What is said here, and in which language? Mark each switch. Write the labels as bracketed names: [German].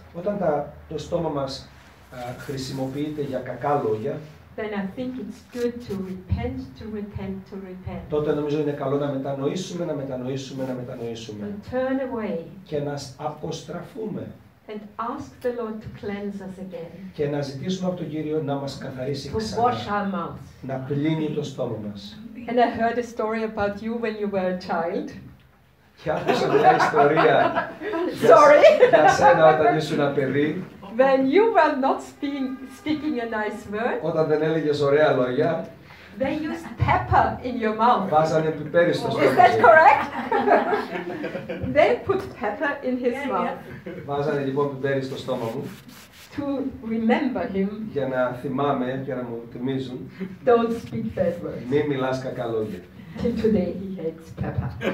[Greek] Όταν το στόμα μας χρησιμοποιείται για κακά λόγια. [English] Then I think it's good to repent, to repent, to repent. [Greek] Τότε νομίζω είναι καλό να μετανοήσουμε, να μετανοήσουμε, να μετανοήσουμε. [English] And turn away. [Greek] Και να αποστραφούμε. [English] And ask the Lord to cleanse us again. [Greek] Και να ζητήσουμε από τον Κύριο να μας καθαρίσει ξανά. [English] To wash our mouths. [Greek] Να πλύνει το στόμα μας. [English] And I heard a story about you when you were a child. [Greek] Και άκουσα μια ιστορία. [English] Sorry. [Greek] Για σένα όταν ήσουν ένα παιδί. [English] When you were not speaking a nice word. [Greek] Όταν δεν έλεγες ωραία λόγια. [English] They used pepper in your mouth. [Greek] Βάζανε πιπέρι στο στόμα. [English] Is that correct? They put pepper in his mouth. [Greek] Βάζανε λοιπόν πιπέρι στο στόμα μου. [English] To remember him. [Greek] Για να θυμάμαι και να μου θυμίζουν. [English] Don't speak bad words. [Greek] Μη μιλάς κακά λόγια. [English] Till today he hates pepper.